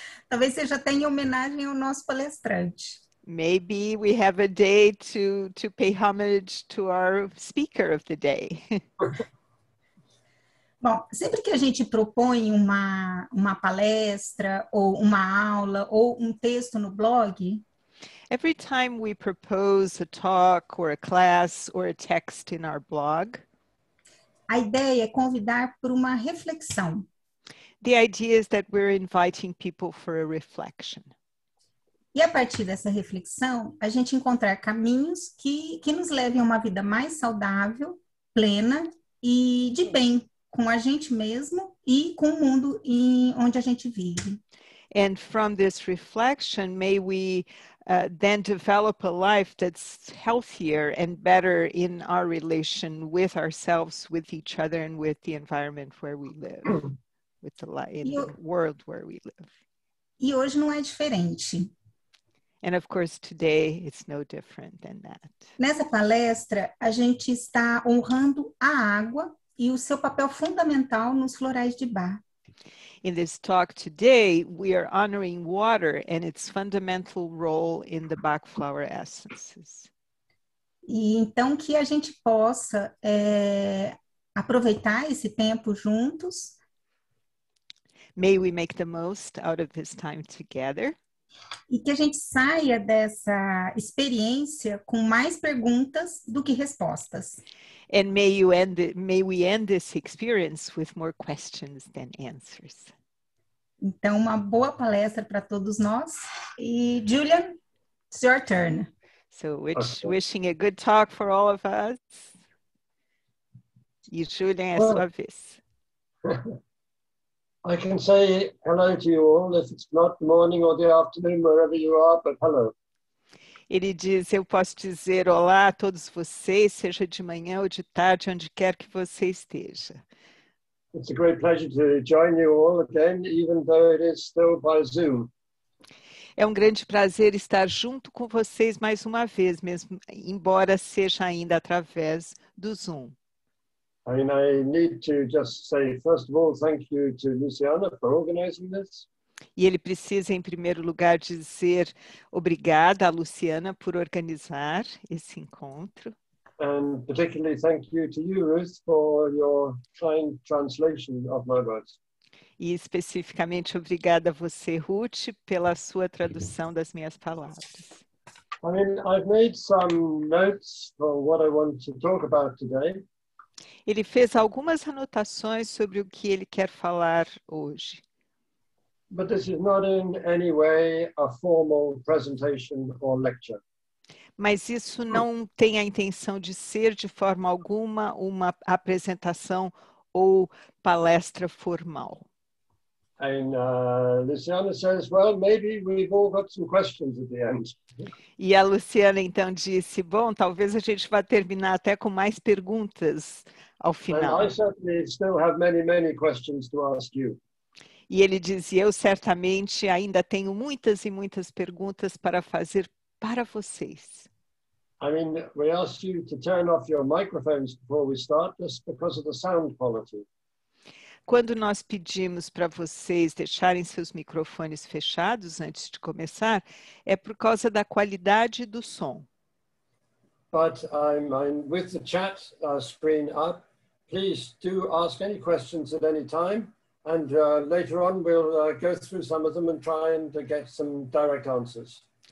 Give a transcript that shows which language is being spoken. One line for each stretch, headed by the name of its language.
Portuguese: Talvez seja até em homenagem ao nosso palestrante.
English: Maybe we have a day to pay homage to our speaker of the day.
Portuguese: Bom, sempre que a gente propõe uma palestra, ou uma aula, ou um texto no blog,
English: Every time we propose a talk or a class or a text in our blog,
Portuguese: a ideia é convidar por uma reflexão.
English: the idea is that we're inviting people for a reflection.
Portuguese: E a partir dessa reflexão, a gente encontrar caminhos que nos levem a uma vida mais saudável, plena e de bem com a gente mesmo e com o mundo onde a gente vive.
English: And from this reflection, may we then develop a life that's healthier and better in our relation with ourselves, with each other, and with the environment where we live, with the in the world where we live.
Portuguese: E hoje não é diferente.
English: And of course, today it's no different than that.
Portuguese: Nessa palestra, a gente está honrando a água e o seu papel fundamental nos florais de Bach.
English: In this talk today, we are honoring water and its fundamental role in the Bach flower essences.
Portuguese: E então que a gente possa aproveitar esse tempo juntos.
English: May we make the most out of this time together.
Portuguese: E que a gente saia dessa experiência com mais perguntas do que respostas.
English: And may we end this experience with more questions than answers.
Portuguese: Então, uma boa palestra para todos nós. E, Julian,
English: it's your turn. So, wishing a good talk for all of us.
Portuguese: E, Julian, é sua vez.
English: I can say hello to you all, if it's not the morning or the afternoon, wherever you are, but hello.
Portuguese: Ele diz, eu posso dizer olá a todos vocês, seja de manhã ou de tarde, onde quer que você esteja.
English: It's a great pleasure to join you all again, even though it is still by Zoom.
Portuguese: É um grande prazer estar junto com vocês mais uma vez, mesmo embora seja ainda através do Zoom.
English: I need to just say, first of all, thank you to Luciana for organizing this.
Portuguese: E ele precisa, em primeiro lugar, dizer obrigada à Luciana por organizar esse encontro.
English: And particularly thank you to you, Ruth, for your kind translation of my words.
Portuguese: E especificamente obrigada a você, Ruth, pela sua tradução das minhas palavras.
English: I've made some notes for what I want to talk about today.
Portuguese: Ele fez algumas anotações sobre o que ele quer falar hoje.
English: But this is not in any way a formal presentation or lecture.
Portuguese: Mas isso não tem a intenção de ser, de forma alguma, uma apresentação ou palestra formal.
English: And Luciana says, well, maybe we've all got some questions at the end.
Portuguese: E a Luciana então disse, bom, talvez a gente vá terminar até com mais perguntas ao final.
English: And I certainly still have many, many questions to ask you.
Portuguese: E ele dizia, eu certamente ainda tenho muitas e muitas perguntas para fazer para vocês.
English: I mean, we asked you to turn off your microphones before we start, just because of the sound quality.
Portuguese: Quando nós pedimos para vocês deixarem seus microfones fechados antes de começar, é por causa da qualidade do som.
English: But I'm with the chat screen up, please do ask any questions at any time. And later on, we'll go through some of them and try and get some direct answers.